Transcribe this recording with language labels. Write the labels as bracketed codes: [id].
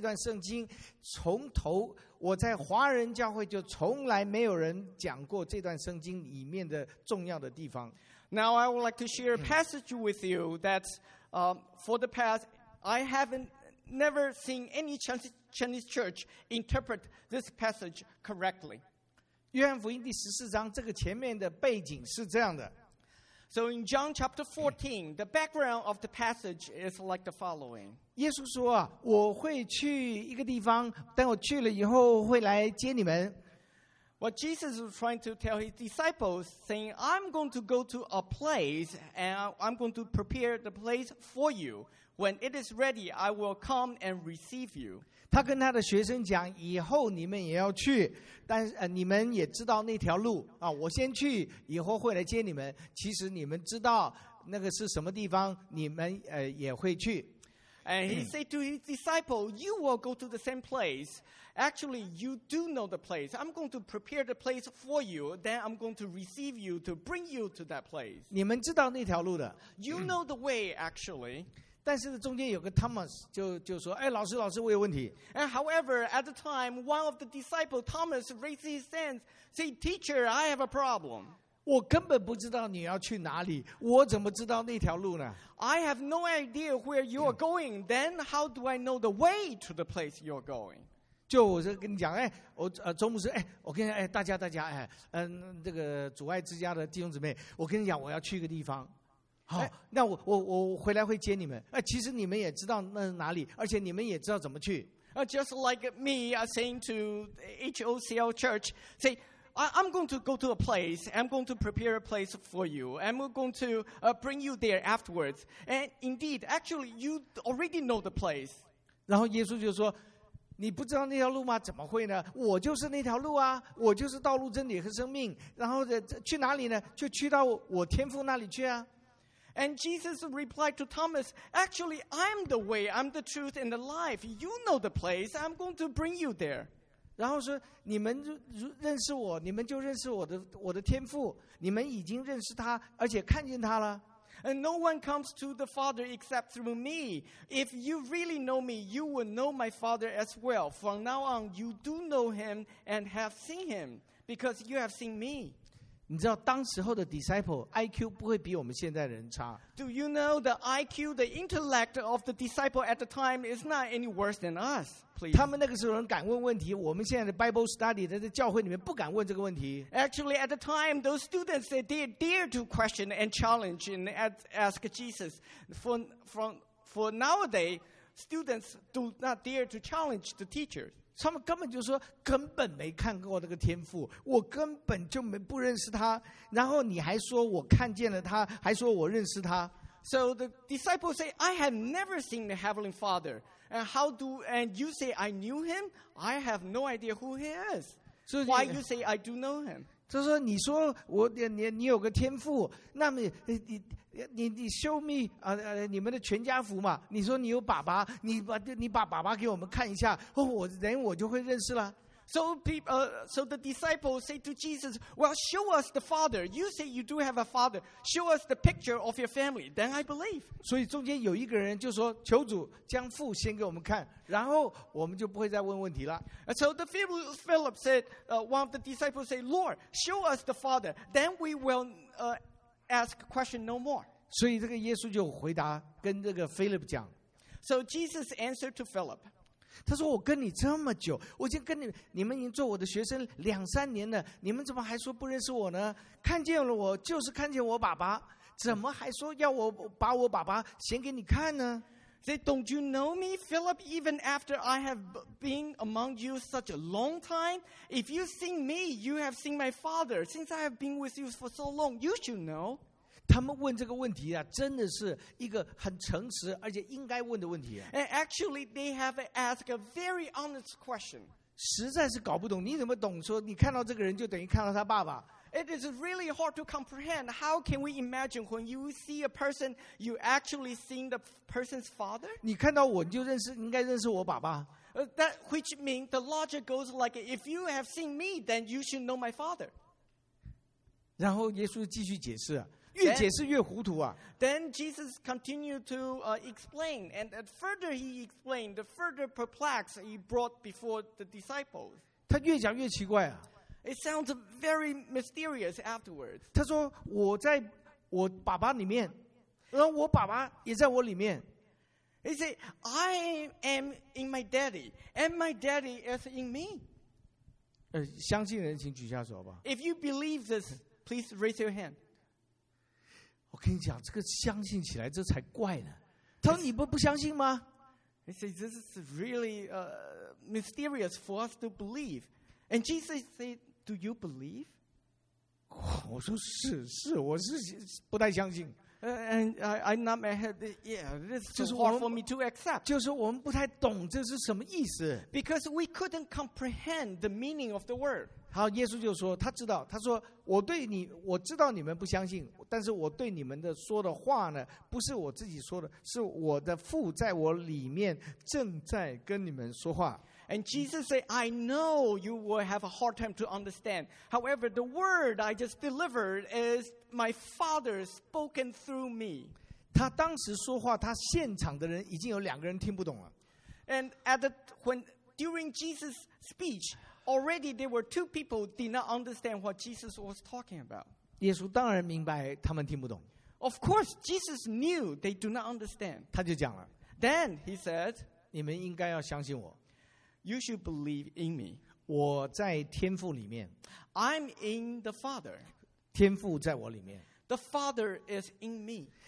[zh] 我现在跟大家分享一段圣经,我认为这段圣经从头 我在华人教会就从来没有人讲过这段圣经里面的重要的地方。 [en] Now I would like to share a passage with you that for the past, I haven't never seen any Chinese church interpret this passage correctly. [zh] 约翰福音第14章这个前面的背景是这样的。 [en] So in John chapter 14, the background of the passage is like the following. [zh] 耶稣说啊, 我会去一个地方, 但我去了以后会来接你们。 [en] What Jesus was trying to tell his disciples, saying, I'm going to go to a place, and I'm going to prepare the place for you. When it is ready, I will come and receive you. [zh] 他跟他的学生讲, 以后你们也要去, 但你们也知道那条路, 啊, 我先去, 以后会来接你们, 其实你们知道那个是什么地方, 你们, 也会去。 [en] And he said to his disciple, you will go to the same place. Actually, you do know the place. I'm going to prepare the place for you. Then I'm going to receive you to bring you to that place. [zh] 你们知道那条路的。 [en] You know the way, actually. [zh] 但是中间有个Thomas 就说, 哎, 老师, 老师, 我有问题。 [en] And however, at the time, one of the disciples, Thomas, raised his hands, said, teacher, I have a problem. [zh] 我根本不知道你要去哪里, 我怎么知道那条路呢? [en] I have no idea where you are going. Then how do I know the way to the place you are going? [zh] 就我就跟你讲, 哎, 我, 周牧师, 哎, 我跟你讲, 哎, 大家, 哎, 这个主爱之家的弟兄姊妹, 我跟你讲, 我要去一个地方。好, 那我回来会接你们, 其实你们也知道那是哪里, 而且你们也知道怎么去。 [en] Just like me saying to HOCL Church, say, I'm going to go to a place, I'm going to prepare a place for you, I'm going to bring you there afterwards. And indeed, actually, you already know the place. [zh] 然后耶稣就说, 你不知道那条路吗?怎么会呢? 我就是那条路啊, 我就是道路真理和生命, 然后去哪里呢? 就去到我天父那里去啊。 [en] And Jesus replied to Thomas, actually, I'm the way, I'm the truth and the life. You know the place, I'm going to bring you there. [zh] 然后说,你们认识我,你们就认识我的天父,你们已经认识他,而且看见他了。 [en] And no one comes to the Father except through me. If you really know me, you will know my Father as well. From now on, you do know him and have seen him, because you have seen me. [zh] 你知道当时候的 disciple IQ 不会比我们现在的人差。 [en] Do you know the IQ, the intellect of the disciple at the time is not any worse than us? Please. [zh] 他们那个时候人敢问问题，我们现在的 Bible study 在教会里面不敢问这个问题。 [en] Actually, at the time, those students they dare to question and challenge and ask Jesus. For nowadays, students do not dare to challenge the teachers. [zh] 他们根本就说根本没看过那个天父，我根本就没不认识他，然后你还说我看见了他，还说我认识他。 [en] So the disciples say, I have never seen the Heavenly Father. And how do, and you say I knew him? I have no idea who he is. Why you say I do know him? [zh] 就说你说我 你有个天父，那么 你 [en] show me、 [zh] 你们的全家福嘛，你说你有爸爸，你把爸爸给我们看一下，哦，我就会认识了。 [en] So the disciples say to Jesus, well, show us the father. You say you do have a father. Show us the picture of your family. Then I believe. [zh] 所以中间有一个人就说，求主将父先给我们看，然后我们就不会再问问题了。 [en] So the Philip said, one of the disciples said, Lord, show us the father. Then we willask question no more. [zh] 所以这个耶稣就回答跟这个 Philip 讲。 [en] So Jesus answered to Philip. [zh] 他说我跟你这么久，我已经跟你们已经做我的学生两三年了，你们怎么还说不认识我呢？看见了我就是看见我爸爸，怎么还说要我把我爸爸显给你看呢？ [en] Say, don't you know me, Philip, even after I have been among you such a long time? If you've seen me, you have seen my father. Since I have been with you for so long, you should know. [zh] 他们问这个问题啊，真的是一个很诚实而且应该问的问题啊。 [en] And actually, they have asked a very honest question. [zh] 实在是搞不懂，你怎么懂说你看到这个人就等于看到他爸爸？ [en] It is really hard to comprehend. How can we imagine when you see a person, you actually see the person's father? [zh] 你看到我，你就认识，应该认识我爸爸。 [en] That which means the logic goes like, if you have seen me, then you should know my father. [zh] 然后耶稣继续解释，越解释越糊涂啊。 [en] Then Jesus continued to explain, and the further he explained, the further perplexed he brought before the disciples. [zh] 他越讲越奇怪啊。 [en] It sounds very mysterious afterwards. [zh] 他说我在我爸爸里面，然后我爸爸也在我里面。 [en] He said, I am in my daddy, and my daddy is in me. [zh] 相信人请举下手吧。 [en] If you believe this, please raise your hand. [zh] 我跟你讲，这个相信起来这才怪呢。他说你不相信吗？ [en] He said, this is really mysterious for us to believe. And Jesus said, "Do you believe?" [zh] 我说是是，我是不太相信。 [en] And I nod my head. Yeah, it's too hard for me to accept. [zh] 就是我们不太懂这是什么意思。 [en] Because we couldn't comprehend the meaning of the word. [zh] 好，耶稣就说他知道，他说我对你，我知道你们不相信，但是我对你们的说的话呢，不是我自己说的，是我的父在我里面正在跟你们说话。 [en] And Jesus said, I know you will have a hard time to understand. However, the word I just delivered is my Father spoken through me. [zh] 他当时说话，他现场的人已经有两个人听不懂了。 [en] And at the, when, during Jesus' speech, already there were two people did not understand what Jesus was talking about. [zh] 耶稣当然明白他们听不懂。 [en] Of course, Jesus knew they do not understand. [zh] 他就讲了。 [en] Then he said, [zh] 你们应该要相信我。 [en] You should believe in me. [zh] 我在天父里面。 [en] I'm in the Father. [zh] 天父在我里面。 [en] The Father is in me.